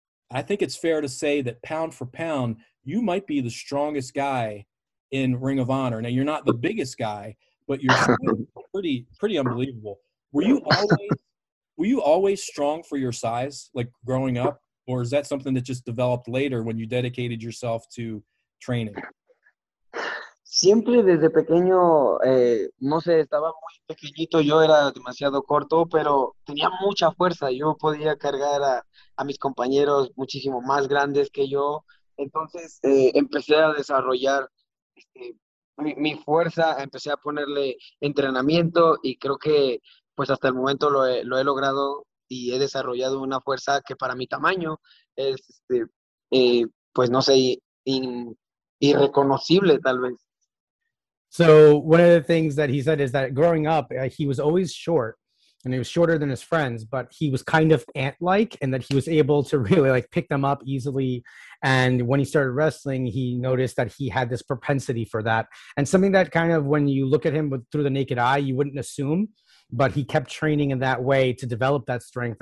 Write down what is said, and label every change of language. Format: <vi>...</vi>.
<en>I think it's fair to say that pound for pound, you might be the strongest guy in Ring of Honor. Now, you're not the biggest guy, but you're pretty unbelievable. Were you always strong for your size, like growing up, or is that something that just developed later when you dedicated yourself to training?</en> <es>Siempre desde pequeño, no sé, estaba muy pequeñito, yo era demasiado corto, pero tenía mucha fuerza. Yo podía cargar a mis compañeros muchísimo más grandes que yo. Entonces empecé a desarrollar mi fuerza, empecé a ponerle entrenamiento y creo que pues hasta el momento lo he logrado y he desarrollado una fuerza que para mi tamaño es, pues no sé, irreconocible tal vez.</es> <en>So one of the things that he said is that growing up, he was always short, and he was shorter than his friends, but he was kind of ant-like, and that he was able to really like pick them up easily. And when he started wrestling, he noticed that he had this propensity for that. And something that kind of, when you look at him with, through the naked eye, you wouldn't assume, but he kept training in that way to develop that strength.</en>